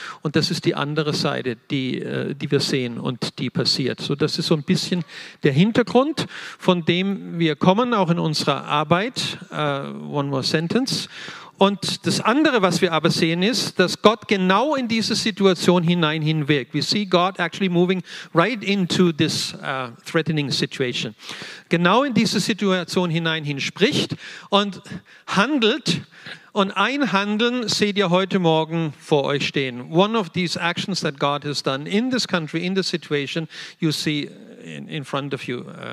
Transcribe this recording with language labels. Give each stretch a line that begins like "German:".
German: Und das ist die andere Seite, die wir sehen und die passiert. So, das ist so ein bisschen der Hintergrund, von dem wir kommen, auch in unserer Arbeit.
English: One more sentence.
German: Und das andere, was wir aber sehen, ist, dass Gott genau in diese Situation hineinwirkt.
English: We see God actually moving right into this threatening situation.
German: Genau in diese Situation hinein spricht und handelt. Und ein Handeln seht ihr heute Morgen vor euch stehen.
English: One of these actions that God has done in this country, in this situation, you see in front of you.